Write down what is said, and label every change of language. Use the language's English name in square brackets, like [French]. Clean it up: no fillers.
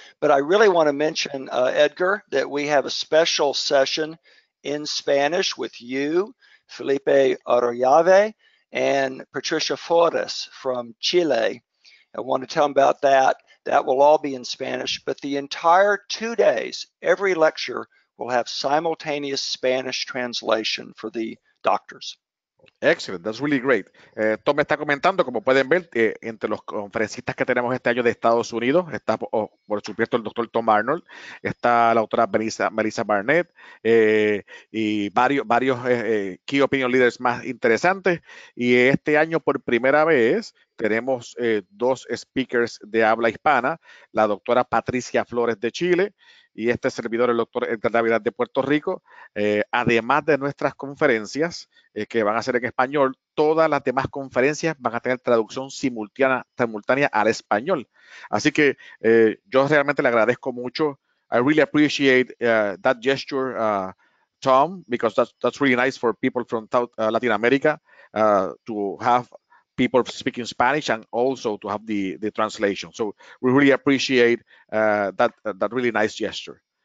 [English] But I really want to mention, Edgar, that we have a special session in Spanish with you, Felipe Arroyave, and Patricia Flores from Chile. I want to tell them about that. That will all be in Spanish, but the entire 2 days, every lecture will have simultaneous Spanish translation for the doctors. Excellent, that's really great. [Spanish] Tom está comentando, como pueden ver, entre los conferencistas que tenemos este año de Estados Unidos, está por supuesto el doctor Tom Arnold, está la doctora Melissa Barnett y varios [English] key opinion leaders [Spanish] más interesantes. Y este año, por primera vez, tenemos dos speakers de habla hispana, la doctora Patricia Flores de Chile y este servidor, el doctor Edgar Davila de Puerto Rico, además de nuestras conferencias que van a ser en español, todas las demás conferencias van a tener traducción simultánea al español. Así que yo realmente le agradezco mucho. [English] I really appreciate that gesture, Tom, because that's really nice for people from Latin America to have people speaking Spanish and also to have the translation. So we really appreciate that really nice gesture.